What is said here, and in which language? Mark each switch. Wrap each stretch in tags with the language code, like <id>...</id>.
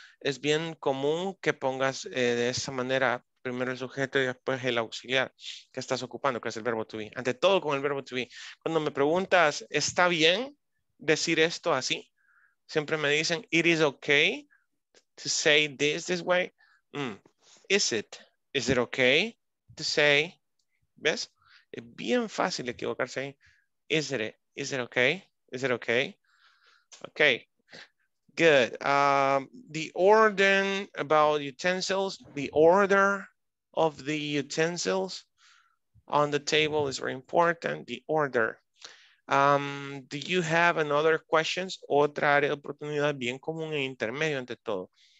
<es>Es bien común que pongas de esa manera primero el sujeto y después el auxiliar que estás ocupando, que es el verbo to be. Ante todo con el verbo to be. Cuando me preguntas, ¿está bien decir esto así? Siempre me dicen,</es> <en>it is okay to say this this way. Is it okay to say,</en> <es>¿ves? Es bien fácil equivocarse ahí.</es> <en>Is it okay? Okay, good. The order about utensils, the order of the utensils on the table is very important, the order. Do you have another questions?</en> <es>Otra área de oportunidad bien común e intermedio ante todo.</es>